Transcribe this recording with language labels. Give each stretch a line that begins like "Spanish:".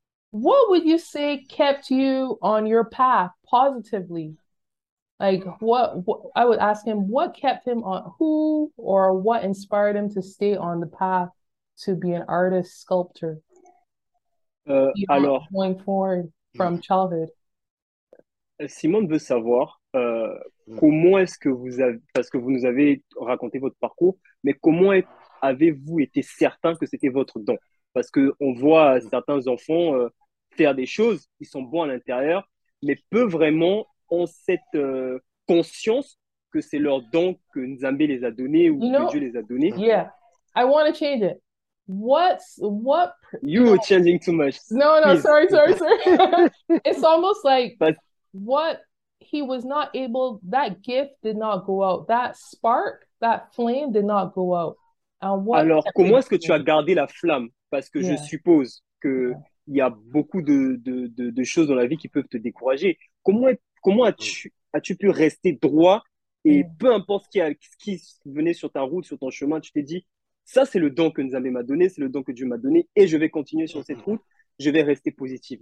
English: What would you say kept you on your path positively? Like what I would ask him, what kept him on, who or what inspired him to stay on the path to be an artist sculptor?
French: Alors,
English: going forward from childhood.
French: Simone veut savoir comment est-ce que vous avez, parce que vous nous avez raconté votre parcours, mais comment avez-vous été certain que c'était votre don? Parce que on voit certains enfants faire des choses, ils sont bons à l'intérieur, mais peu vraiment ont cette conscience que c'est leur don que Nzambe les a donné ou
English: you know,
French: que Dieu les a donné.
English: Yeah, I want to change it. What? You are changing too much. No, please. Sorry. It's almost like what he was not able, that gift did not go out. That spark, that flame did not go out. And what
French: Alors, comment est-ce que tu as gardé la flamme? Parce que
English: yeah.
French: je suppose que yeah. il y a beaucoup de choses dans la vie qui peuvent te décourager. Comment as-tu pu rester droit et peu importe ce qui venait sur ta route, sur ton chemin, tu t'es dit, ça c'est le don que Nzambe m'a donné, c'est le don que Dieu m'a donné et je vais continuer sur cette route, je vais rester positif.